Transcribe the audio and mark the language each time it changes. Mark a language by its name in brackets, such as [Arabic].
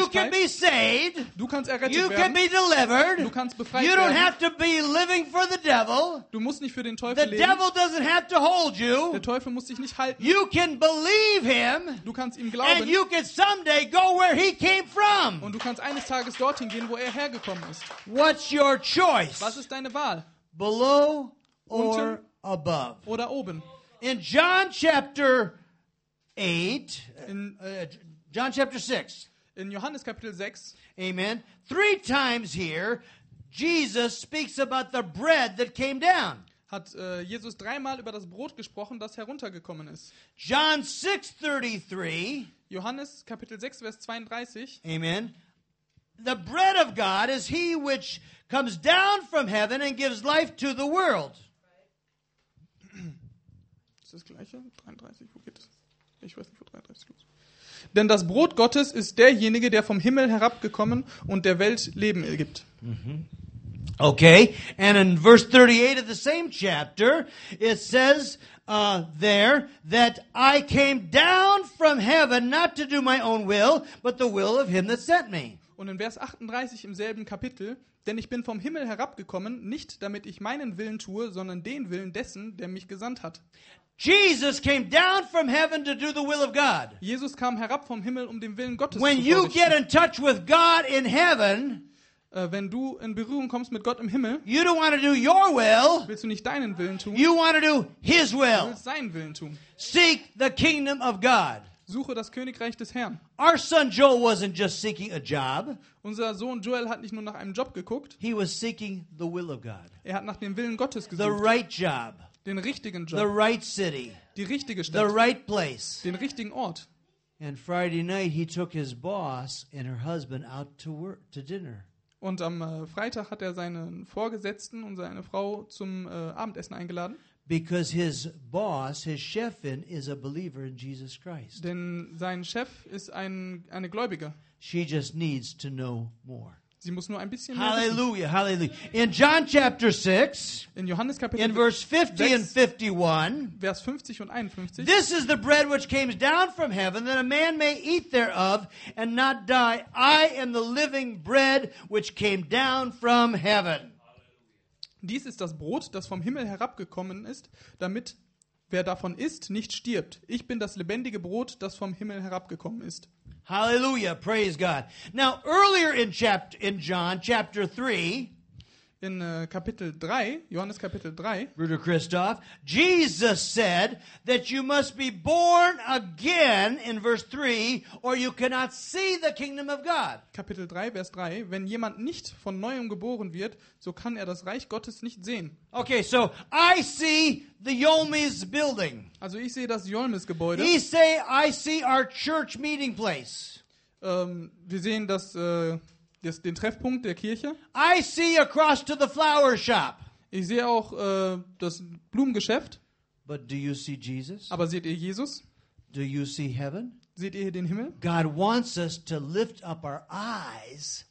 [English] You can be saved. [German] Du kannst errettet [English] you [German] werden. [English] Can be delivered. [German] Du kannst befreit [English] you don't [German] werden. [English] Have to be living for the devil. [German] Du musst nicht für den Teufel [English] the [German] leben. [English] Devil doesn't have to hold you. [German] Der Teufel muss dich nicht halten. halten. [English] You can believe him. [German] Du kannst ihm glauben. [English] And you can someday go where he came from. [German] Und du kannst eines Tages dorthin gehen, wo er hergekommen ist. [English] What's your choice? [German] Was ist deine Wahl? [English] Below or above? [German] Oder oben? [English] In John chapter 8, John chapter 6. [German] In Johannes Kapitel 6. Amen. [English] Three times here Jesus speaks about the bread that came down. [German] Hat Jesus dreimal über das Brot gesprochen, das heruntergekommen ist. [English] John 6:33. [German] Johannes Kapitel 6 Vers 32. Amen. [English] The bread of God is he which comes down from heaven and gives life to the world. [German] Ist das gleiche? 33, wo geht es? Ich weiß nicht, wo 33 los. Denn das Brot Gottes ist derjenige, der vom Himmel herabgekommen und der Welt Leben gibt. Mm-hmm. [English] Okay, and in verse 38 of the same chapter, it says there that I came down from heaven not to do my own will, but the will of him that sent me. [German] Und in Vers 38 im selben Kapitel, denn ich bin vom Himmel herabgekommen, nicht damit ich meinen Willen tue, sondern den Willen dessen, der mich gesandt hat. [English] Jesus came down from heaven to do the will of God. [German] Jesus kam herab vom Himmel, um dem Willen Gottes zu tun. [English] When you get in touch with God in heaven, [German] wenn du in Berührung kommst mit Gott im Himmel, [English] you don't want to do your will, [German] willst du nicht deinen Willen tun. [English] You want to do his will. [German] Du willst seinen Willen tun. [English] Seek the kingdom of God. [German] Suche das Königreich des Herrn. [English] Our son Joel wasn't just seeking a job. [German] Unser Sohn Joel hat nicht nur nach einem Job geguckt. [English] He was seeking the will of God. [German] Er hat nach dem Willen Gottes gesucht. [English] The right job. [German] Den richtigen Job. [English] The right city. [German] Die richtige Stadt. [English] The right place. [German] Den richtigen Ort. [English] And Friday night he took his boss and her husband out to work, to dinner. [German] Und am Freitag hat er seinen Vorgesetzten und seine Frau zum Abendessen eingeladen. [English] Because his boss, his chefin, is a believer in Jesus Christ. [German] Denn sein Chef ist eine Gläubige. [English] She just needs to know more. [German] Sie muss nur ein bisschen Hallelujah, mehr wissen. [English] Hallelujah. In John chapter 6, [German] in Johannes Kapitel [English] in verse 50 6, and 51, [German] Vers 50 und 51, [English] this is the bread which came down from heaven, that a man may eat thereof and not die. I am the living bread which came down from heaven. [German] Dies ist das Brot, das vom Himmel herabgekommen ist, damit wer davon isst, nicht stirbt. Ich bin das lebendige Brot, das vom Himmel herabgekommen ist. [English] Halleluja, praise God. Now earlier in John chapter 3, [German] in Kapitel 3, Johannes Kapitel 3, [English] Bruder Christoph, Jesus said that you must be born again in verse 3 or you cannot see the kingdom of God. [German] Kapitel 3 Vers 3, wenn jemand nicht von neuem geboren wird, so kann er das Reich Gottes nicht sehen. [English] Okay, so I see the Yolmis building. [German] Also ich sehe das Yolmis Gebäude. [English] He say I see our church meeting place. [German] Wir sehen das den Treffpunkt der Kirche. [English] I see across to the flower shop. [German] Ich sehe auch das Blumengeschäft. [English] But do you see Jesus? [German] Aber seht ihr Jesus? [English] Do you see heaven? [German] Seht ihr den Himmel? [English] God wants us to lift up our eyes.